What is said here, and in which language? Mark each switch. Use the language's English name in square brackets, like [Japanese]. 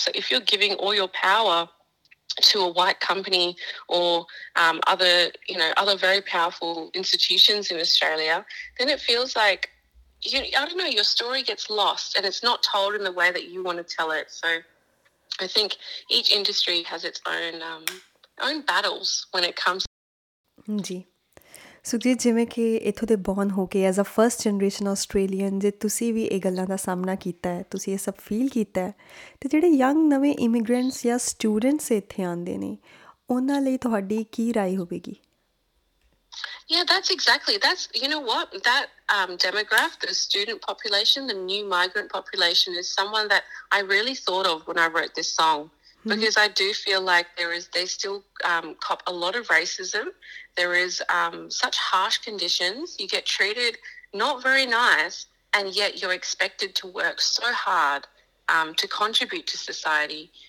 [English] So if you're giving all your power to a white company or other very powerful institutions in Australia, then it feels like, your story gets lost and it's not told in the way that you want to tell it. So I think each industry has its own own battles when it comes. Mm-hmm. [Punjabi] Sukhjit, ਜਿਵੇਂ ਕਿ ਇੱਥੋਂ ਦੇ born ਹੋ ਕੇ as a first generation Australian, ਜੇ ਤੁਸੀਂ ਵੀ ਇਹ ਗੱਲਾਂ ਦਾ ਸਾਹਮਣਾ ਕੀਤਾ ਹੈ, ਤੁਸੀਂ ਇਹ ਸਭ ਫੀਲ ਕੀਤਾ ਹੈ, ਅਤੇ ਜਿਹੜੇ ਯੰਗ ਨਵੇਂ ਇਮੀਗ੍ਰੈਂਟਸ ਜਾਂ ਸਟੂਡੈਂਟਸ ਇੱਥੇ ਆਉਂਦੇ ਨੇ, ਉਹਨਾਂ ਲਈ ਤੁਹਾਡੀ ਕੀ ਰਾਏ ਹੋਵੇਗੀ? [English] Yeah, that's exactly. That's, that demographic, the student population, the new migrant population, is someone that I really thought of when I wrote this song. Because I do feel like they still cop a lot of racism. There is such harsh conditions. You get treated not very nice, and yet you're expected to work so hard to contribute to society.